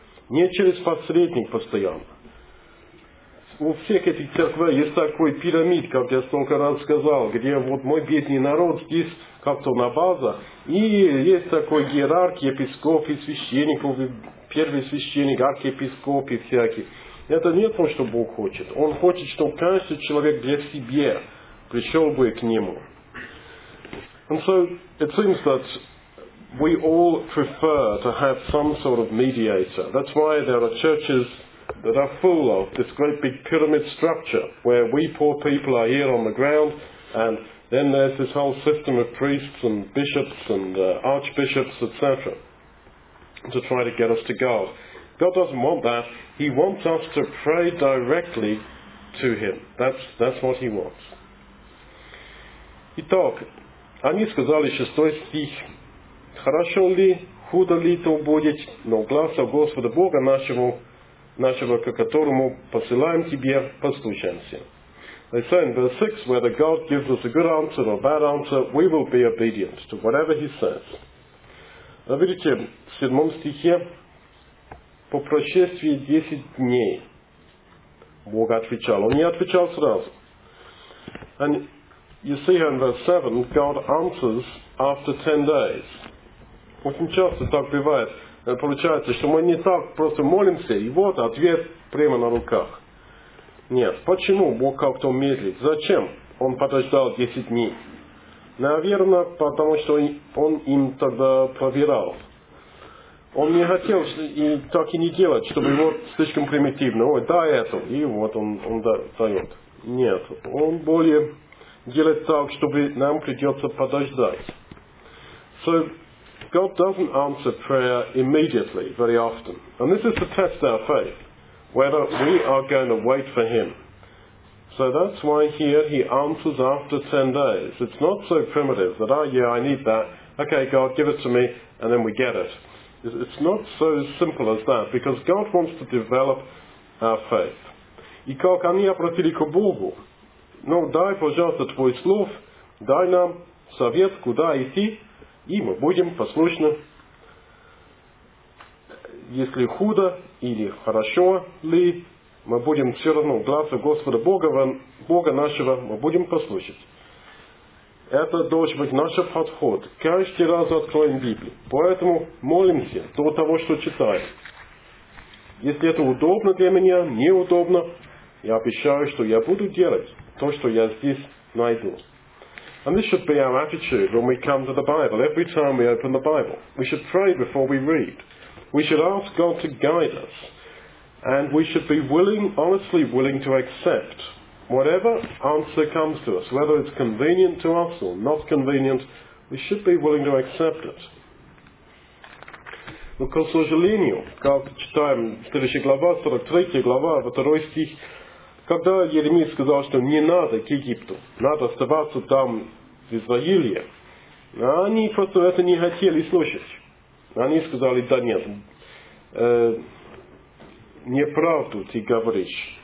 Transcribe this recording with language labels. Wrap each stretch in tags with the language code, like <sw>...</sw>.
<ru>Не через посредник постоянно. У всех этих церквей есть такой пирамид, как я столько раз сказал, где вот мой бедный народ здесь как-то на база, и есть такой иерарх, епископ и священников, первый священник, архиепископ и всякий. Это не то, что Бог хочет. Он хочет, чтобы каждый человек для себя пришел бы к Нему.</ru> <en>And so it seems that we all prefer to have some sort of mediator. That's why there are churches that are full of this great big pyramid structure where we poor people are here on the ground and then there's this whole system of priests and bishops and archbishops, etc. to try to get us to God. God doesn't want that. He wants us to pray directly to Him. That's what He wants.</en> <ru>Итак, они сказали, шестой стих, хорошо ли, худо ли то будет, но глаза Господа Бога нашего, к которому посылаем тебе, послушаемся.</ru> <en>They say in verse 6, whether God gives us a good answer or a bad answer, we will be obedient to whatever He says.</en> <ru>Смотрите, в 7 стихе: «По прошествии 10 дней Бог отвечал». Он не отвечал сразу.</ru> <en>And you see in verse 7, God answers after 10 days.</en> <ru>Очень часто так бывает, получается, что мы не так просто молимся, и вот ответ прямо на руках. Нет, почему Бог как-то медлит? Зачем Он подождал 10 дней? Наверное, потому что Он им тогда проверял. Он не хотел и так и не делать, чтобы вот слишком примитивно. Ой, дай это, и вот он дает. Нет, он более делает так, чтобы нам придется подождать.</ru> <en>So, God doesn't answer prayer immediately, very often. And this is to test our faith, whether we are going to wait for Him. So that's why here He answers after 10 days. It's not so primitive that, oh yeah, I need that. Okay, God, give it to me, and then we get it. It's not so simple as that, because God wants to develop our faith.</en> <ru>И как они обратили к Богу? Ну, дай, пожалуйста, твой слов, дай нам совет, куда идти, и мы будем послушны. Если худо или хорошо ли, мы будем все равно гласу Господа Бога нашего, мы будем послушать. Это должен быть наш подход. Каждый раз откроем Библию. Поэтому молимся до того, что читаем. Если это удобно для меня, неудобно, я обещаю, что я буду делать то, что я здесь найду.</ru> <en>And this should be our attitude when we come to the Bible. Every time we open the Bible, we should pray before we read. We should ask God to guide us. And we should be willing, honestly willing to accept whatever answer comes to us, whether it's convenient to us or not convenient, we should be willing to accept it.</en> <ru>Но, к сожалению, как читаем следующая глава, 43 глава, 2 стих, когда Еремия сказал, что не надо к Египту, надо оставаться там в Израиле, они просто это не хотели слушать. Они сказали: да нет, неправду ты говоришь.</ru>